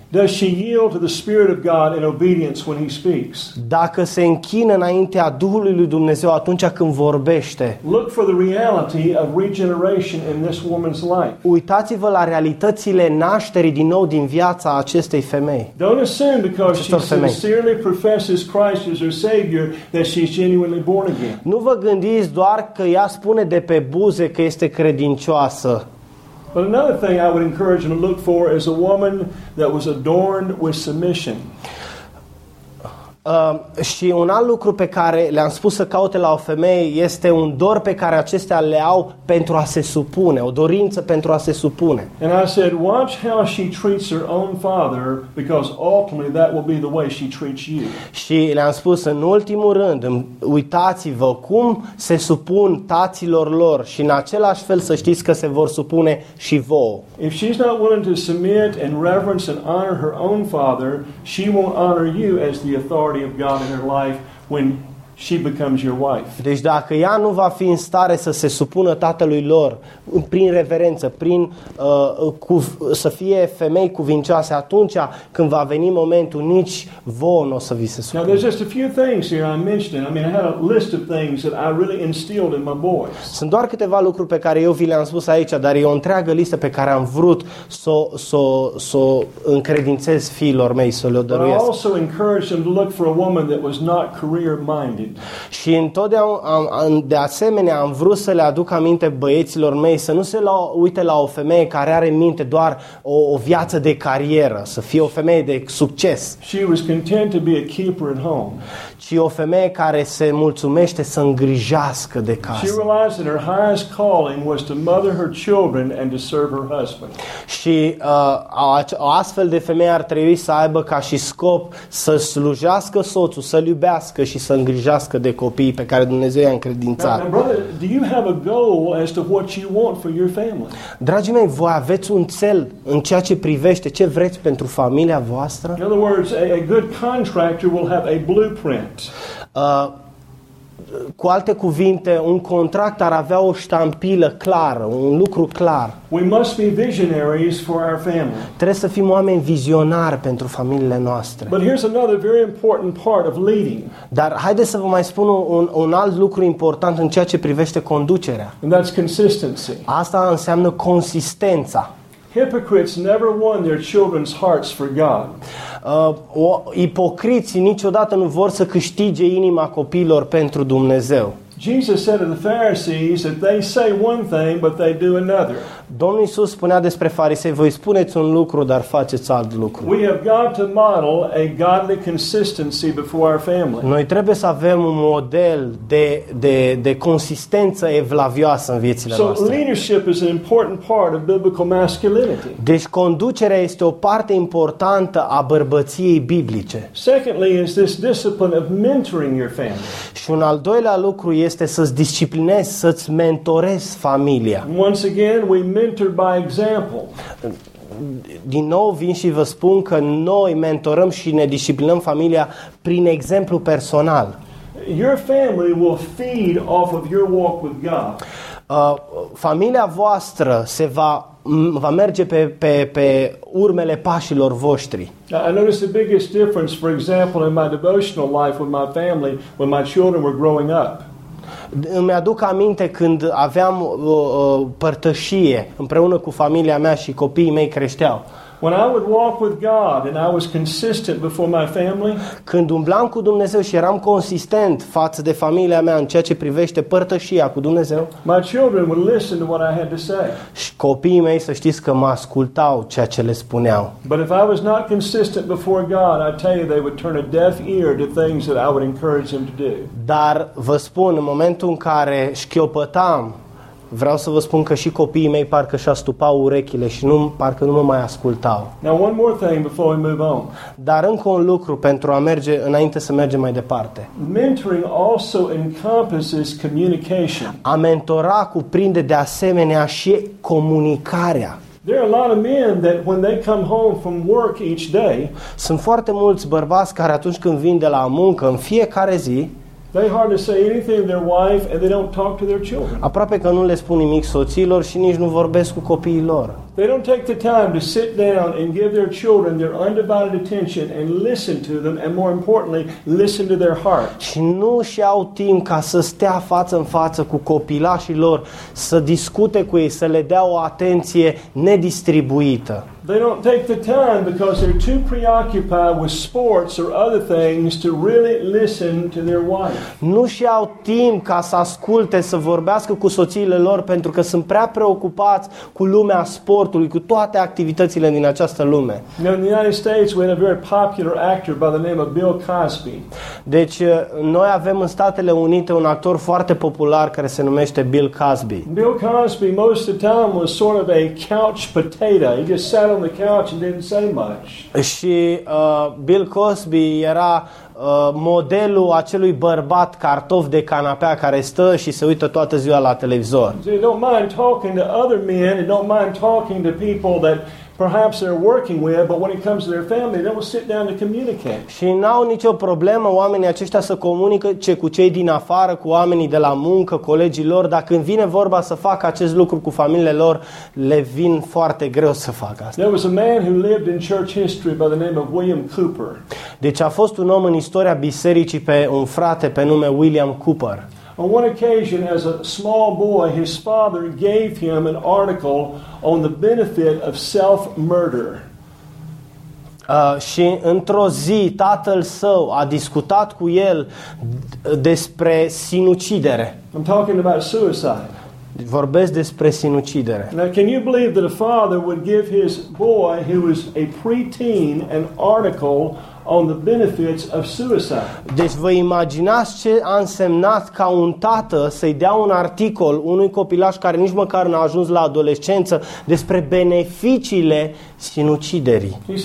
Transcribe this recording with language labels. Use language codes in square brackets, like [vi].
[en] Does she yield to the Spirit of God in obedience when He speaks? [ro] Dacă se închină înaintea Duhului lui Dumnezeu atunci când vorbește. [en] Look for the reality of regeneration in this woman's life. [ro] Uitați-vă la realitățile nașterii din nou din viața acestei femei. [en] Don't assume because she sincerely professes Christ as her Savior that she's genuinely born again. [ro] Nu vă gândiți doar că ea spune de pe buze că este credincioasă. [en] But another thing I would encourage them to look for is a woman that was adorned with submission. [ro] Și un alt lucru pe care le-am spus să caute la o femeie este un dor pe care acestea le au pentru a se supune, o dorință pentru a se supune. [en] And I said, watch how she treats her own father, because ultimately that will be the way she treats you. [ro] Și le-am spus, în ultimul rând, uitați-vă cum se supun taților lor și în același fel să știți că se vor supune și vouă. [en] If she's not willing to submit and reverence and honor her own father, she won't honor you as the authority of God in her life when she becomes your wife. [ro] Deci dacă ea nu va fi în stare să se supună tatălui lor prin reverență, prin să fie femei cuvincioase, atunci când va veni momentul, nici vouă n-o să vi se supună. [en] Now there's just a few things here I mentioned. I mean, I had a list of things that I really instilled in my boys. [ro] Sunt doar câteva lucruri pe care eu vi le-am spus aici, dar e o întreagă listă pe care am vrut să încredințez fiilor mei, să le o dăruiesc. [en] But I also encouraged them to look for a woman that was not career minded. [ro] Și întotdeauna, de asemenea, am vrut să le aduc aminte băieților mei să nu se uite la o femeie care are în minte doar o viață de carieră, să fie o femeie de succes. [en] She was content to be a keeper at home. [ro] Ci o femeie care se mulțumește să îngrijească de casă. [en] She realized that her highest calling was to mother her children and to serve her husband. [ro] Și o astfel de femeie ar trebui să aibă ca și scop să slujească soțul, să-l iubească și să îngrijească de copiii pe care Dumnezeu i-a încredințat. [en] Do you have a goal as to what you want for your family? [ro] Dragii mei, voi aveți un țel în ceea ce privește ce vreți pentru familia voastră? [en] In other words, a good contractor will have a blueprint. [ro] Cu alte cuvinte, un contract ar avea o ștampilă clară, un lucru clar. [en] We must be visionaries for our family. [ro] Trebuie să fim oameni vizionari pentru familiile noastre. [en] But here's another very important part of leading. [ro] Dar haideți să vă mai spun un alt lucru important în ceea ce privește conducerea. [en] And that's consistency. [ro] Asta înseamnă consistența. [en] Hypocrites never won their children's hearts for God. [ro] Ipocriții niciodată nu vor să câștige inima copiilor pentru Dumnezeu. [en] Jesus said of the Pharisees that they say one thing but they do another. [ro] Domnul Iisus spunea despre farisei: voi spuneți un lucru, dar faceți alt lucru. [en] We have got to model a godly consistency before our family. [ro] Noi trebuie să avem un model de consistență evlavioasă în viețile noastre. [en] So leadership is an important part of biblical masculinity. [ro] Deci conducerea este o parte importantă a bărbăției biblice. [en] Secondly is this discipline of mentoring your family. [ro] Și un al doilea lucru este să-ți disciplinezi, să-ți mentorezi familia. [en] Once again, we mentor by example. [ro] Din nou vin și vă spun că noi mentorăm și ne disciplinăm familia prin exemplu personal. [en] Your family will feed off of your walk with God. [ro] Familia voastră se va merge pe urmele pașilor voștri. [en] I noticed the biggest difference, for example, in my devotional life with my family when my children were growing up. [ro] Îmi aduc aminte când aveam părtășie împreună cu familia mea și copiii mei creșteau. [en] When I would walk with God and I was consistent before my family, [ro] când umblam cu Dumnezeu și eram consistent față de familia mea în ceea ce privește părtășia cu Dumnezeu, [en] my children would listen to what I had to say. [ro] Și copiii mei, să știți că mă ascultau ceea ce le spuneau. [en] But if I was not consistent before God, I tell you they would turn a deaf ear to things that I would encourage them to do. [ro] Dar vă spun, în momentul în care șchiopătam, vreau să vă spun că și copiii mei parcă și-a stupau urechile și parcă nu mă mai ascultau. [en] Now one more thing before we move on. [ro] Dar încă un lucru pentru a merge înainte să mergem mai departe. [en] Mentoring also encompasses communication. [ro] A mentora cuprinde de asemenea și comunicarea. [en] There are a lot of men that when they come home from work each day, [ro] sunt foarte mulți bărbați care atunci când vin de la muncă în fiecare zi, [en] they hardly say anything to their wife and they don't talk to their children. [ro] Aproape că nu le spun nimic soților și nici nu vorbesc cu copiii lor. [en] They don't take the time to sit down and give their children their undivided attention and listen to them and more importantly, listen to their heart. [ro] Și nu și-au timp ca să stea față în față cu copilașii lor, să discute cu ei, să le dea o atenție nedistribuită. [en] They don't take the time because they're too preoccupied with sports or other things to really listen to their wife. [ro] Nu și-au timp ca să asculte, să vorbească cu soțiile lor pentru că sunt prea preocupați cu lumea sportului, cu toate activitățile din această lume. [en] Now, in the United States, we had a very popular actor by the name of Bill Cosby. [ro] Deci noi avem în Statele Unite un actor foarte popular care se numește Bill Cosby. [en] Bill Cosby most of the time was sort of a couch potato. He just sat on the couch and didn't say much. [ro] Și Bill Cosby era modelul acelui bărbat cartof de canapea care stă și se uită toată ziua la televizor. [en] They don't mind talking to other men and don't mind talking to people that perhaps they're working with, but when it comes to their family, they will sit down to communicate. [ro] Și n-au nicio problemă oamenii aceștia să comunice cu cei din afară, cu oamenii de la muncă, colegii lor, dar când vine vorba să facă acest lucru cu familiile lor, le vin foarte greu să facă asta. [en] There was a man who lived in church history by the name of William Cooper. [ro] Deci a fost un om în istoria bisericii pe un frate pe nume William Cooper. [en] On one occasion, as a small boy, his father gave him an article on the benefit of self-murder. [ro] Și într-o zi, tatăl său a discutat cu el despre sinucidere. [en] I'm talking about suicide. [ro] Vorbesc despre sinucidere. [en] Now, can you believe that a father would give his boy, who was a preteen, an article on the benefits of suicide? [ro] Deci vă imaginați ce a însemnat ca un tată să-i dea un articol unui copilaș care nici măcar n-a ajuns la adolescență despre beneficiile sinuciderii.